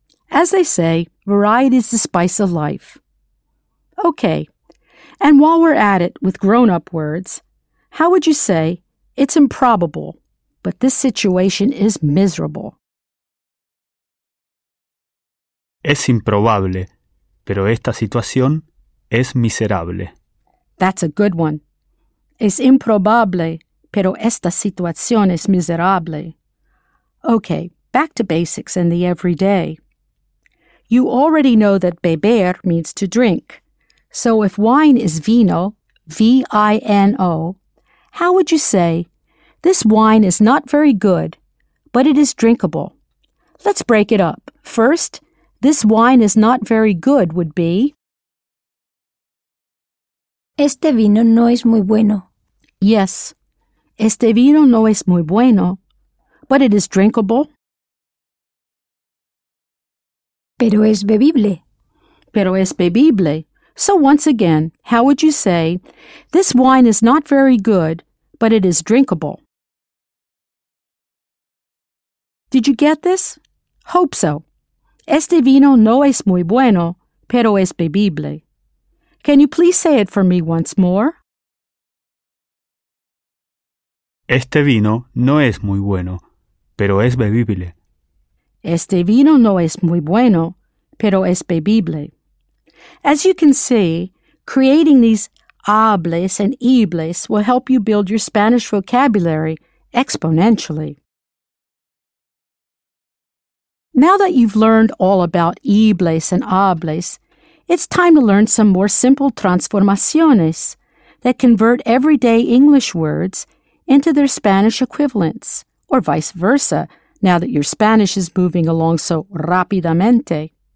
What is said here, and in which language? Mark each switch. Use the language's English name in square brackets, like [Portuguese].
[English] As they say, variety is the spice of life. Okay, and while we're at it with grown-up words, how would you say, it's improbable, but this situation is miserable? [Spanish] Es improbable, pero esta situación es miserable. [English] That's a good one. [Spanish] Es improbable, pero esta situación es miserable. [English] Okay, back to basics and the everyday. You already know that beber means to drink. So if wine is vino, V-I-N-O, how would you say, this wine is not very good, but it is drinkable? Let's break it up. First, this wine is not very good would be... [Spanish] Este vino no es muy bueno. [English] Yes. [Spanish] Este vino no es muy bueno, [English] but it is drinkable. [Spanish] Pero es bebible. Pero es bebible. [English] So once again, how would you say, this wine is not very good, but it is drinkable? Did you get this? Hope so. [Spanish] Este vino no es muy bueno, pero es bebible. [English] Can you please say it for me once more? [Spanish] Este vino no es muy bueno, pero es bebible. Este vino no es muy bueno, pero es bebible. [English] As you can see, creating these hables and ibles will help you build your Spanish vocabulary exponentially. Now that you've learned all about ibles and hables, it's time to learn some more simple transformaciones that convert everyday English words into their Spanish equivalents, or vice versa, now that your Spanish is moving along so rápidamente.